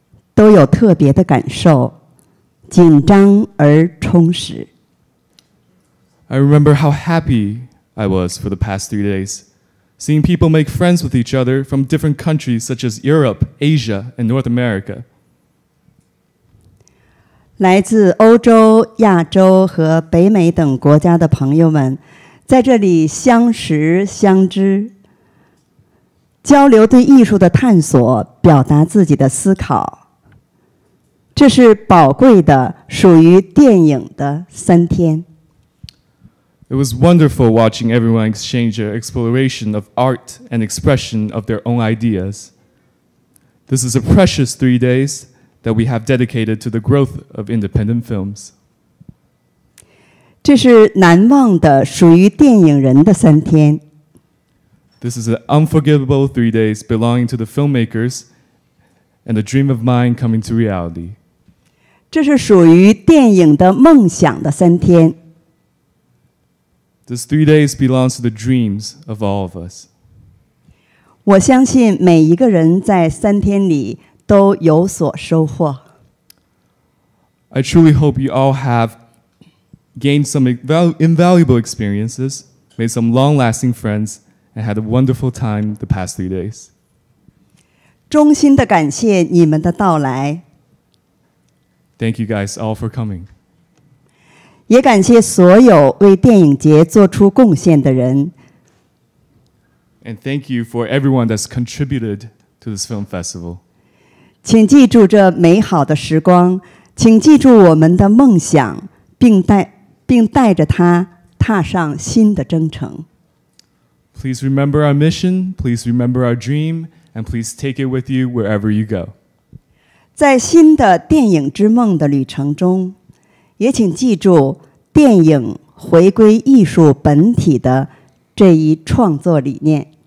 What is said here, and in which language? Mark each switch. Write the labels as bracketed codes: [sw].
[zh] 回忆起这三天，我感到非常的欢喜。我看到了在这三天里，每个人都有特别的感受。 [en] I remember how happy I was for the past 3 days, seeing people make friends with each other from different countries such as Europe, Asia, and North America. [zh] 来自欧洲、亚洲和北美等国家的朋友们，在这里相识相知，交流对艺术的探索，表达自己的思考。 [en] It was wonderful watching everyone exchange their exploration of art and expression of their own ideas. This is a precious 3 days that we have dedicated to the growth of independent films. This is an unforgettable 3 days belonging to the filmmakers and a dream of mine coming to reality. [zh] 这是属于电影的梦想的三天。 [en] These 3 days belongs to the dreams of all of us. [zh] 我相信每一个人在三天里都有所收获。 [en] I truly hope you all have gained some invaluable experiences, made some long-lasting friends, and had a wonderful time the past 3 days. [zh] 衷心地感谢你们的到来。 [en] Thank you guys all for coming. [zh] 也感谢所有为电影节做出贡献的人。 [en] And thank you for everyone that's contributed to this film festival. [zh] 请记住这美好的时光，请记住我们的梦想，并带着它踏上新的征程。 [en] Please remember our mission, please remember our dream, and please take it with you wherever you go. [zh] 在新的电影之梦的旅程中，也请记住电影回归艺术本体的这一创作理念。